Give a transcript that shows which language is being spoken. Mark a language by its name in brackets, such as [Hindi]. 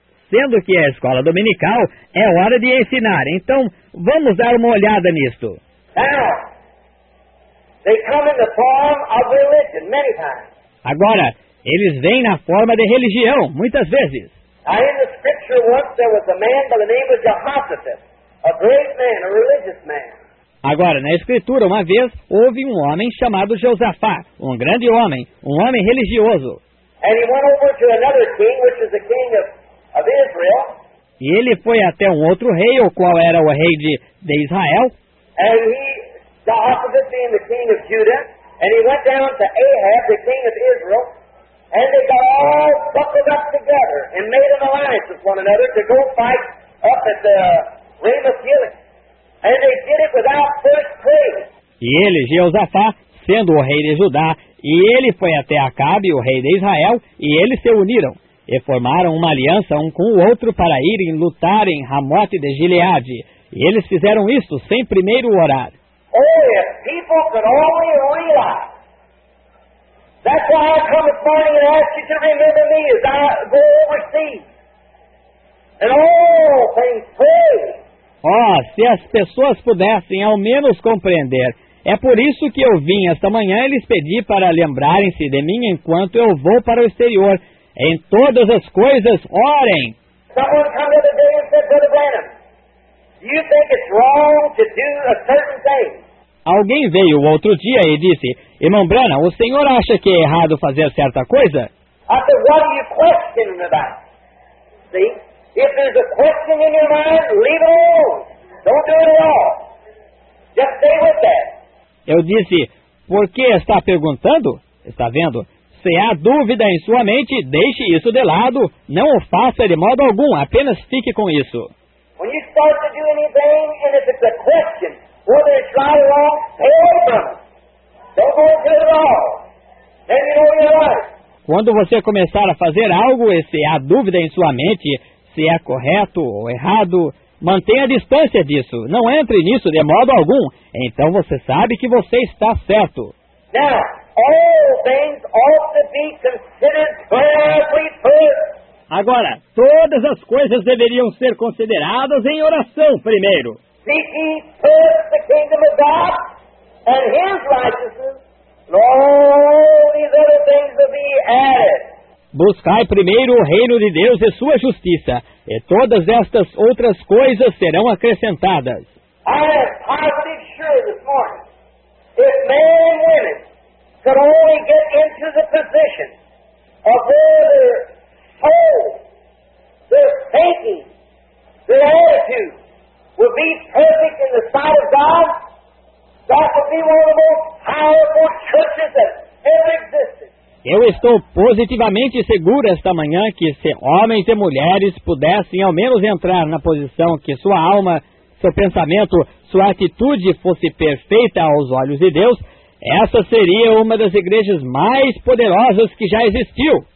[Portuguese] Sendo que a escola dominical é hora de ensinar. Então, vamos dar uma olhada nisto. [English] Now, they come in the form of religion many times. [Portuguese] Agora, eles vêm na forma de religião, muitas vezes. [English] Now, in the scripture once there was a man by the name of Jehoshaphat, a great man, a religious man. [Portuguese] Agora, na escritura, uma vez, houve um homem chamado Josafá, um grande homem, um homem religioso. [English] And he went over to another king, which is the king of Israel. [Portuguese] E ele foi até um outro rei, o qual era o rei de Israel. [English] And he... Jehoshaphat being the king of Judah, and he went down to Ahab, the king of Israel, and they got all buckled up together and made an alliance with one another to go fight up at the Ramoth-Gilead. And they did it without first praying. [Portuguese] E ele, Jeosafá, sendo o rei de Judá, e ele foi até Acabe, o rei de Israel, e eles se uniram, e formaram uma aliança um com o outro para irem lutar em Ramote de Gileade. E eles fizeram isso sem primeiro orar. [English] Oh, if people could only realize. That's why I come this morning and ask you to remember me as I go overseas. And all things pray. [Portuguese] Oh, se as pessoas pudessem ao menos compreender. É por isso que eu vim esta manhã e lhes pedi para lembrarem-se de mim enquanto eu vou para o exterior. Em todas as coisas, orem. [English] Someone come the other day and said, Brother Branham, do you think it's wrong to do a certain thing? [Portuguese] Alguém veio outro dia e disse, Irmão Branham, o senhor acha que é errado fazer certa coisa? [English] I said, what are you questioning about? See? If there's a question in your mind, leave it alone. Don't do it at all. Just stay with that. [Portuguese] Eu disse, por que está perguntando? Está vendo? Se há dúvida em sua mente, deixe isso de lado. Não o faça de modo algum. Apenas fique com isso. [English] When you start to do anything, and if it's a question, whether it's right or wrong, stay away from it. Don't go into it at all. Then you know you're right. [Portuguese] Quando você começar a fazer algo, e se há dúvida em sua mente, se é correto ou errado, Mantenha a distância disso. Não entre nisso de modo algum. Então você sabe que você está certo. [English] Now, all things ought to be considered prayerfully first. [Portuguese] Agora, todas as coisas deveriam ser consideradas em oração primeiro. [English] Seeking first the kingdom of God and His righteousness, all these other things will be added. [Portuguese] Buscai primeiro o reino de Deus e sua justiça, e todas estas outras coisas serão acrescentadas. [English] I am positive sure this morning, if men and women could only get into the position of their soul, their thinking, their attitude, would be perfect in the sight of God, that would be one of the most powerful churches that ever existed. [Portuguese] Eu estou positivamente seguro esta manhã que se homens e mulheres pudessem ao menos entrar na posição que sua alma, seu pensamento, sua atitude fosse perfeita aos olhos de Deus, essa seria uma das igrejas mais poderosas que já existiu.